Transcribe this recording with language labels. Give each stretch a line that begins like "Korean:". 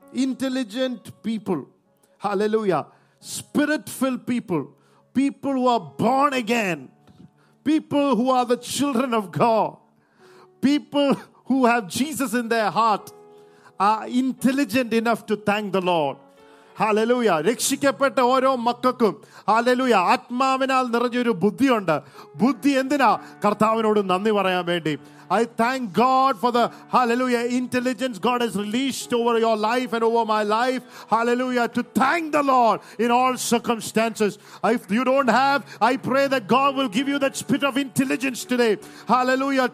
English: Intelligent people. Hallelujah. Spirit-filled people. People who are born again. People who are the children of God. People who have Jesus in their heart are intelligent enough to thank the Lord. Hallelujah.
Malayalam: രക്ഷിക്കപ്പെട്ട ഓരോ മക്കൾക്കും hallelujah ആത്മാവിനാൽ നിറഞ്ഞൊരു ബുദ്ധിയുണ്ട്. ബുദ്ധി എന്തിനാ? കർത്താവിനോട് നന്ദി പറയാൻ വേണ്ടി.
English: I thank God for the hallelujah intelligence God has released over your life and over my life. Hallelujah. To thank the Lord in all circumstances. If you don't have, I pray that God will give you that spirit of intelligence today. Hallelujah.